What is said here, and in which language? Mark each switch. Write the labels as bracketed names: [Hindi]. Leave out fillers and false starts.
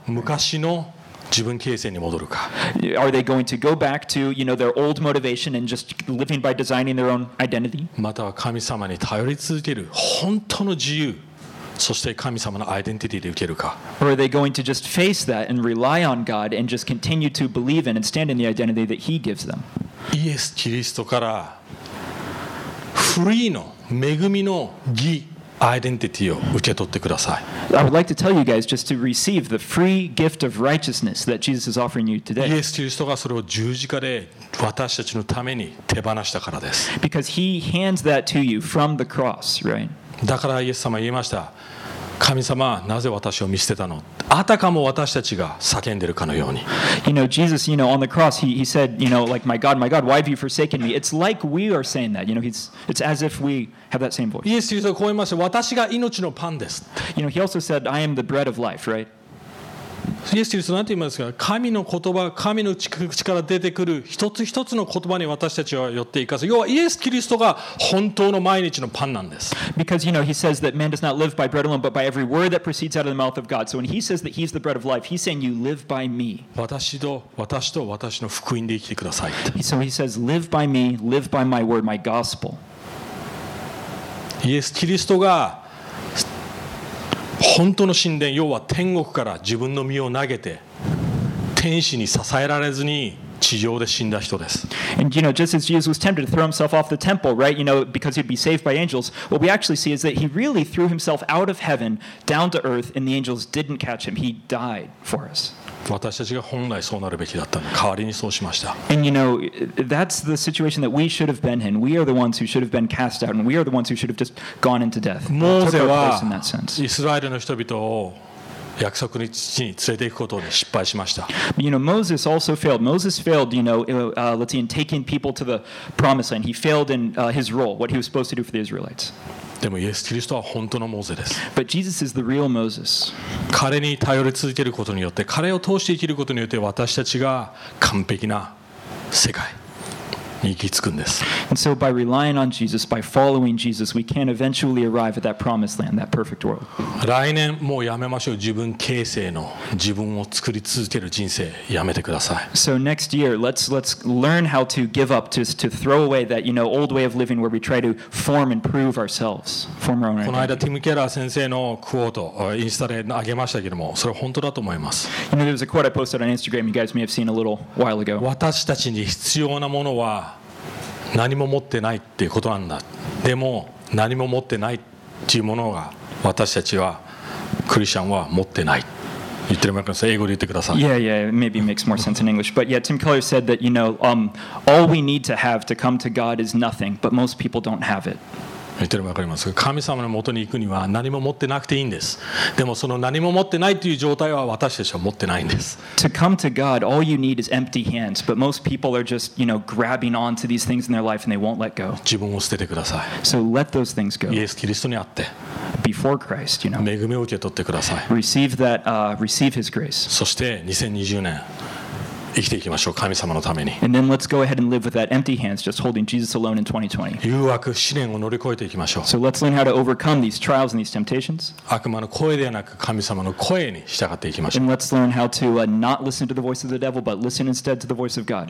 [Japanese] 昔の自分形成に戻るか。 [English] Are they going to go back to, you know, their old motivation and just living by designing their own identity? [Japanese] または神様に頼り続ける本当の自由。そして神様のアイデンティティで受けるか。 [English] Or are they going to just face that and rely on God and just continue to believe in and stand in the identity that He gives them? [Japanese] イエス・キリストからフリーの恵みの義アイデンティティを受け取ってください。 [English] I would like to tell you guys just to receive the free gift of righteousness that Jesus is offering you today. [Japanese] イエス・キリストがそれを十字架で私たちのために手放したからです。 [English] Because He hands that to you from the cross, right? [Japanese] だからイエス様は言いました。神様、なぜ私を見捨てたの？あたかも私たちが叫んでるかのように。 [English] You know, Jesus, you know, on the cross, he said, you know, like, my God, why have you forsaken me? It's like we are saying that. You know, it's as if we have that same voice. [Japanese] イエス様はこう言いました。私が命のパンです。 [English] You know, he also said, I am the bread of life, right? [Japanese] イエス・キリストは何て言いますか？神の言葉、神の口から出てくる一つ一つの言葉に私たちは寄っていかず、要はイエス・キリストが本当の毎日のパンなんです。 [English] Because, you know, he says that man does not live by bread alone, but by every word that proceeds out of the mouth of God. So when he says that he's the bread of life, he's saying you live by me. [Japanese] 私と私の福音で生きてください。 [English] So he says, live by me, live by my word, my gospel. [Japanese] イエス・キリストが本当の神殿、要は天国から自分の身を投げて、天使に支えられずに地上で死んだ人です。 [English] And you know, just as Jesus was tempted to throw himself off the temple, right? You know, because he'd be saved by angels. What we actually see is that he really threw himself out of heaven down to earth, and the angels didn't catch him. He died for us. [Japanese] 私たちが本来そうなるべきだったのに、代わりにそうしました。 [English] And you know, that's the situation that we should have been in. We are the ones who should have been cast out, and we are the ones who should have just gone into death. [Japanese] モーゼはイスラエルの人々を約束の地に連れて行くことに失敗しました。 [English] You know, Moses also failed. Moses failed, you know, let's see, in taking people to the promised land. He failed in his role, what he was supposed to do for the Israelites. [Japanese] でもイエス・キリストは本当のモーゼです。 [English] But Jesus is the real Moses. [Japanese] 彼に頼り続けることによって、彼を通して生きることによって、私たちが完璧な世界。行き着くんです。 [English] And so by relying on Jesus, by following Jesus, we can eventually arrive at that promised land, that perfect world. [Japanese] 来年もうやめましょう。自分形成の自分を作り続ける人生やめてください。 [English] So next year, let's learn how to give up, to throw away that, you know, old way of living where we try to form and prove ourselves, form our own identity. [Japanese] この間ティム・ケラー先生のクォート、インスタで上げましたけども、それ本当だと思います。 [English] You know, there was a quote I posted on Instagram you guys may have seen a little while ago. [Japanese] 私たちに必要なものは何も持ってないっていうことなんだ。でも何も持ってないっていうものが私たちはクリスチャンは持ってない。言ってもらってください。英語で言ってください。 [English] Yeah, yeah, maybe makes more sense in English. But yeah, Tim Keller said that you know, all we need to have to come to God is nothing. But most people don't have it. [Japanese] 言ってもらってます。神様の元に行くには何も持ってなくていいんです。でもその何も持ってないという状態は私たちは持ってないんです。 [English] To come to God, all you need is empty hands. But most people are just, you know, grabbing onto these things in their life and they won't let go. [Japanese] 自分を捨ててください。 [English] So let those things go. [Japanese] イエス・キリストにあって。 [English] Before Christ, you know. [Japanese] 恵みを受け取ってください。 [English] Receive that, receive His grace. [Japanese] そして2020年。生きていきましょう、神様のために。 [English] And then let's go ahead and live with that empty hands, just holding Jesus alone in 2020. [Japanese] 誘惑、試練を乗り越えていきましょう。 [English] So let's learn how to overcome these trials and these temptations. [Japanese] 悪魔の声ではなく、神様の声に従っていきましょう。 [English] And let's learn how to not listen to the voice of the devil, but listen instead to the voice of God.